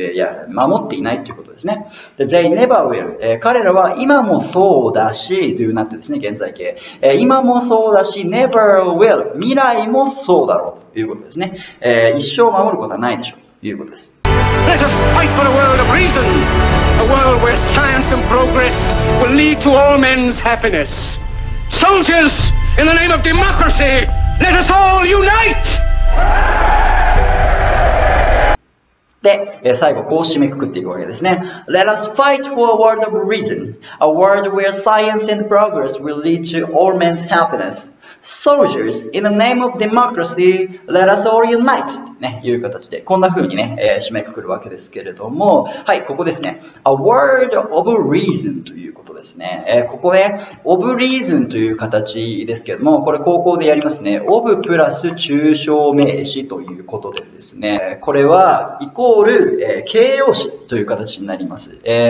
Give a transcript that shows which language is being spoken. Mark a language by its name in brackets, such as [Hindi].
[Japanese] いや、守っていないということですね。 [English] They never will. [Japanese] 彼らは今もそうだし、do not ですね、現在形。今もそうだし、 [English] never will. [Japanese] 未来もそうだろうということですね。一生守ることはないでしょう。いうことです。 [English] Let us fight for a world of reason. A world where science and progress will lead to all men's happiness. Soldiers, in the name of democracy, let us all unite! [Japanese] で、最後こう締めくくっていくわけですね。 [English] Let us fight for a world of reason. A world where science and progress will lead to all men's happiness. Soldiers, in the name of democracy, let us all unite! [Japanese] ね、いう形で、こんな風にね、締めくくるわけですけれども、はい、ここですね。 [English] A word of reason [Japanese] ということですね。ここね、 [English] of reason [Japanese] という形ですけれども、これ高校でやりますね。 of プラス抽象名詞ということでですね、これは、イコール、形容詞という形になります。